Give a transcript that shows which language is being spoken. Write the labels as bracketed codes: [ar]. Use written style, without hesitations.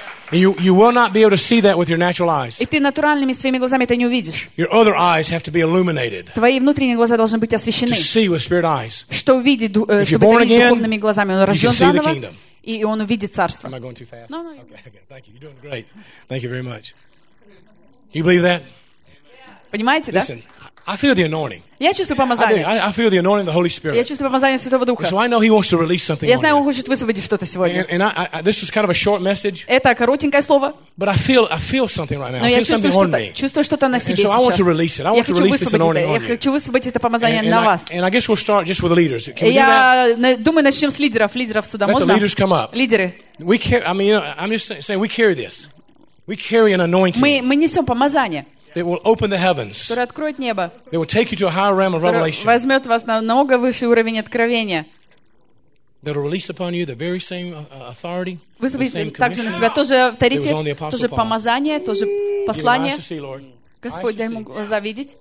[en] You will not be able to see that with your natural eyes. [ru] И ты натуральными своими глазами это не увидишь. [en] Your other eyes have to be illuminated. [ru] Твои внутренние глаза должны быть освещены. [en] To see with spirit eyes. [ru] Что видит, чтобы видеть духовными глазами, он рожден заново, и он увидит царство. [en] Am I going too fast? No. Okay. Thank you. You're doing great. Thank you very much. You believe that? [ru] Понимаете, да? [en] Listen, I feel the anointing. [ru] Я чувствую помазание. [en] I feel the anointing of the Holy Spirit. [ru] Я чувствую помазание Святого Духа. [en] So I know He wants to release something. [ru] Я знаю, Он хочет высвободить что-то сегодня. [en] And I, this was kind of a short message. [ru] Это коротенькое слово. [en] But I feel something right now. [ru] Но [en] I feel something on me. [ru] Чувствую что-то на себе. [en] And so I want to release it. I want to release this anointing on you. [ru] Я хочу высвободить это помазание на вас. [en] And I guess we'll start just with the leaders. Can we do that? [ru] Я думаю, начнем с лидеров. Лидеров сюда можно? [en] Let the leaders come up. [ru] Лидеры. [en] We carry. I mean, you know, I'm just saying, we carry this. We carry an anointing. [ru] Мы несем помазание. [en] That will open the heavens. [ru] Которое откроет небо. [en] That will take you to a higher realm of revelation. [ru] Возьмет вас на намного высший уровень откровения. [en] That will release upon you the very same authority. [ru] Высвободите также на себя то же авторитет, то же помазание, то же послание. Господь, дай ему глаза видеть.